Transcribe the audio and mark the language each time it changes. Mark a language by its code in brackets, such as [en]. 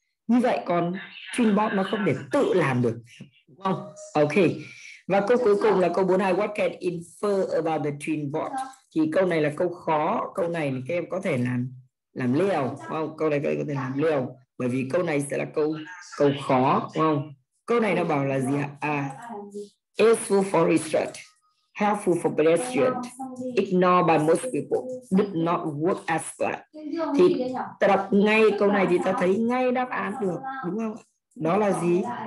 [vi] Như vậy còn Trimbos nó không thể tự làm được, đúng không? Ok. Và câu cuối cùng là câu 42, [en] what can infer about the Trimbos? [vi] Thì câu này là câu khó. Câu này các em có thể làm liều, đúng không? Câu này các em có thể làm liều. Bởi vì câu này sẽ là câu khó, đúng không? Câu này nó bảo là gì ạ? [en] À, useful for research, helpful for pedestrians, ignored by most people, did not work as planned. [vi] Thì ta đọc ngay câu này thì ta thấy ngay đáp án được, đúng không? Đó là gì?